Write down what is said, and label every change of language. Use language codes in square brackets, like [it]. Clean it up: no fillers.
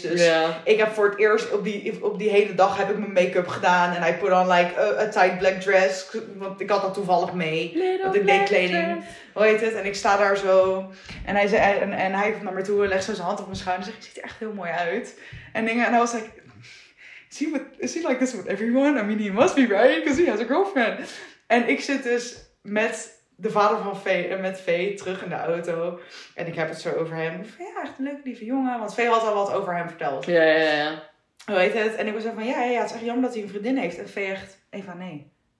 [nl] Dus ik heb voor het eerst op die hele dag heb ik mijn make-up gedaan. [en] En I put on like a tight black dress. [nl] Want ik had dat toevallig mee. Little want ik deed kleding. Dress. Hoe heet het? En ik sta daar zo. En hij zei, en hij komt naar me toe en legt zo zijn hand op mijn schouder. En zegt, je ziet er echt heel mooi uit. En dingen. En hij was [en] like, is he like this with everyone? I mean, he must be right. Because he has a girlfriend. [nl] En ik zit dus met de vader van Vee en met Vee terug in de auto. En ik heb het zo over hem. Ja, echt een leuke lieve jongen. Want Vee had al wat over hem verteld. Ja, ja, ja. Hoe heet het? En ik was zo van, ja, het is echt jammer dat hij een vriendin heeft. En Vee echt, Eva, nee.